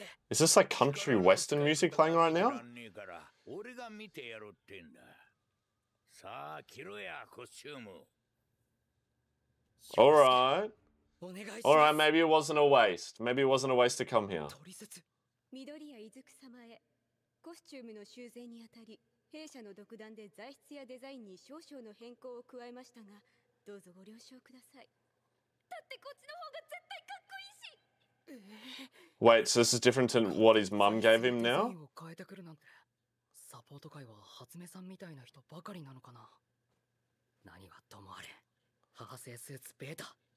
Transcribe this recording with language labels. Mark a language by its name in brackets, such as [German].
[English] Is this like country western music playing right now? [Japanese] 俺が見てやろうってんだ。さあ、着ろや、コスチューム。 [English] All right. All right, maybe it wasn't a waste. Maybe it wasn't a waste to come here. [Japanese] 取説。緑谷伊豆久様へ、コスチュームの修繕にあたり、弊社の独断で材質やデザインに少々の変更を加えましたが、どうぞご了承ください。だってこっちの方が絶対かっこいいし。 [English] Wait, so this is different than what his mum gave him now? [Japanese] デザインを変えてくるなんて、サポート会は初音さんみたいな人ばかりなのかな。何はともあれ、母製スーツベータ。